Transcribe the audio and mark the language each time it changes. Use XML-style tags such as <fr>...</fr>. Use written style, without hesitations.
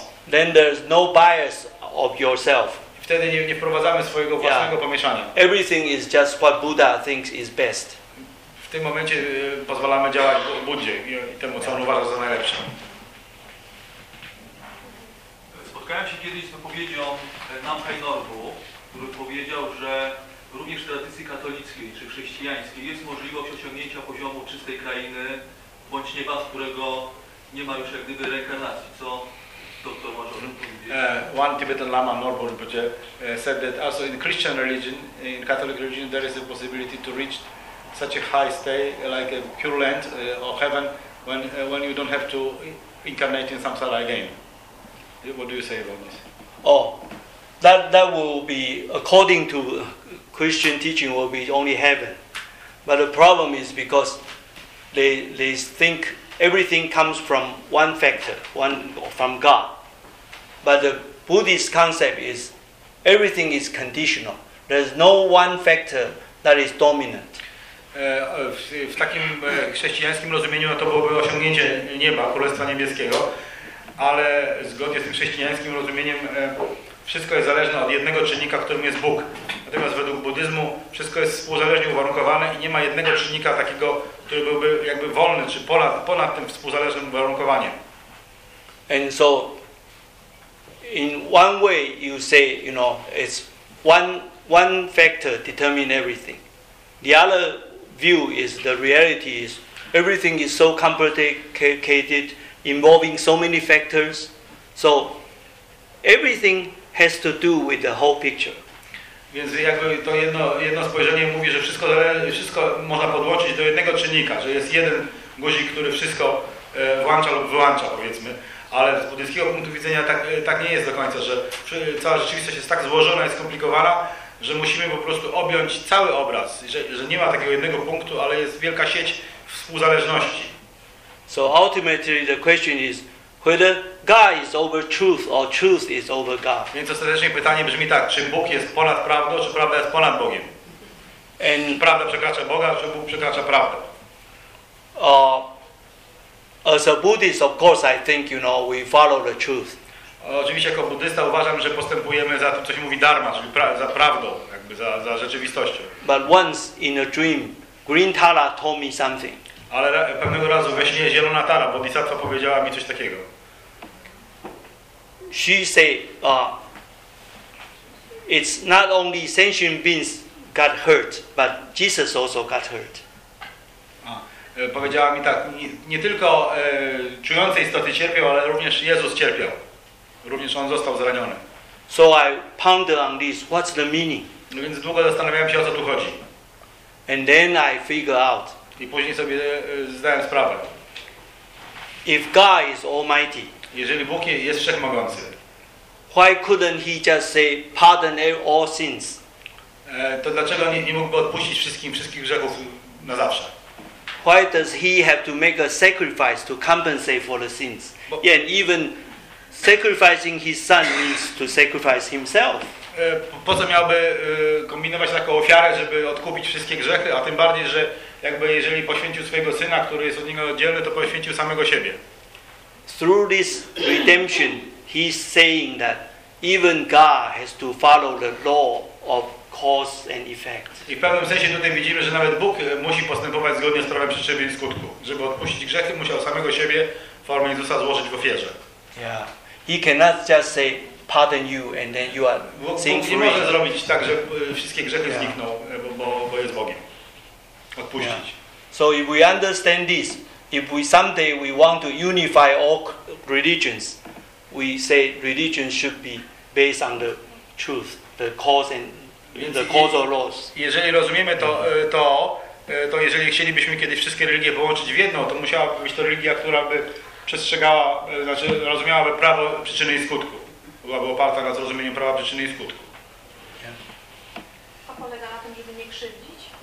<en>Then there's no bias of yourself.</en> <pl>Wtedy nie wprowadzamy swojego własnego pomieszania.</pl> <en>Everything is just what Buddha thinks is best.</en> <pl>W tym momencie pozwalamy działać Buddzie i temu, co on uważa za najlepsze. Spotkałem się kiedyś z wypowiedzią Namkhai Norbu, który powiedział, że również w tradycji katolickiej czy chrześcijańskiej jest możliwość osiągnięcia poziomu czystej krainy bądź nieba, z którego nie ma już jak gdyby reinkarnacji. Co doktor może powiedzieć?</pl> <en>One Tibetan Lama Norbu said that also in Christian religion, in Catholic religion, there is a possibility to reach such a high state, like a pure land or heaven, when you don't have to incarnate in samsara again. What do you say about this? Oh, that will be, according to Christian teaching, will be only heaven. But the problem is because they think everything comes from one factor, one from God. But the Buddhist concept is everything is conditional. There's no one factor that is dominant.</en> <pl>W takim chrześcijańskim rozumieniu to byłoby osiągnięcie nieba, Królestwa Niebieskiego. Ale zgodnie z tym chrześcijańskim rozumieniem wszystko jest zależne od jednego czynnika, którym jest Bóg. Natomiast według buddyzmu wszystko jest współzależnie uwarunkowane i nie ma jednego czynnika takiego, który byłby jakby wolny, czy ponad tym współzależnym uwarunkowaniem.</pl> <en>And so, in one way you say, you know, it's one factor determine everything. The other view is the reality is everything is so complicated, involving so many factors, so everything has to do with the whole picture.</en> <pl>Więc jakby to jedno spojrzenie mówi, że wszystko można podłączyć do jednego czynnika, że jest jeden guzik, który wszystko włącza lub wyłącza, powiedzmy. Ale z buddyjskiego punktu widzenia tak nie jest do końca, że cała rzeczywistość jest tak złożona i skomplikowana, że musimy po prostu objąć cały obraz, że nie ma takiego jednego punktu, ale jest wielka sieć współzależności.</pl> <en>So ultimately the question is whether God is over truth or truth is over God.</en> <pl>Więc ostatecznie pytanie brzmi tak, czy Bóg jest ponad prawdą, czy prawda jest ponad Bogiem?</pl> <en>And</en> <pl>prawda przekracza Boga, czy Bóg przekracza prawdę?</pl> <en>As a Buddhist, of course, I think, you know, we follow the truth.</en> <pl>Oczywiście jako buddysta uważam, że postępujemy za to, co się mówi dharma, czyli za prawdą, jakby za rzeczywistością.</pl> <en>But once in a dream, Green Tara told me something.</en> <pl>Ale pewnego razu we śnie Zielona Tara, Bodhisattva, powiedziała mi coś takiego.</pl> <en>She say, it's not only sentient beings got hurt, but Jesus also got hurt.</en> <pl>Powiedziała mi tak, nie tylko czujące istoty cierpią, ale również Jezus cierpiał. Również On został zraniony.</pl> <en>So I ponder on this, what's the meaning?</en> <pl>No więc długo zastanawiałem się, o co tu chodzi.</pl> <en>And then I figure out.</en> <pl>I później sobie zdałem sprawę.</pl> <en>If God is almighty,</en> <pl>jeżeli Bóg jest wszechmogący,</pl> <en>why couldn't he just say pardon all sins?</en> <pl>To dlaczego nie mógłby odpuścić wszystkich grzechów na zawsze?</pl> <en>Why does he have to make a sacrifice to compensate for the sins? And even sacrificing his son means to sacrifice himself.</en> <pl>Po co miałby kombinować taką ofiarę, żeby odkupić wszystkie grzechy, a tym bardziej, że jakby jeżeli poświęcił swojego syna, który jest od niego oddzielny, to poświęcił samego siebie.</pl> <en>Through this redemption, he's saying that even God has to follow the law of cause and effect.</en> <pl>I w pewnym sensie tutaj widzimy, że nawet Bóg musi postępować zgodnie z prawem przyczyny i skutku. Żeby odpuścić grzechy, musiał samego siebie w formie Jezusa złożyć w ofierze.</pl> <en>Yeah. He cannot just say, pardon you, and then you are saying free.</en> <pl>Bóg nie może zrobić tak, że wszystkie grzechy yeah. znikną, bo jest Bogiem. Odpuścić. Yeah.</pl> <en>So if we understand this, if we someday we want to unify all religions, we say religion should be based on the truth, the cause and the cause of laws.</en> <pl>Jeżeli rozumiemy to, to jeżeli chcielibyśmy kiedyś wszystkie religie połączyć w jedną, to musiałaby być to religia, która by przestrzegała, znaczy rozumiałaby prawo przyczyny i skutku. Byłaby oparta na zrozumieniu prawa przyczyny i skutku. To polega na tym, żeby nie krzywdzić?</pl>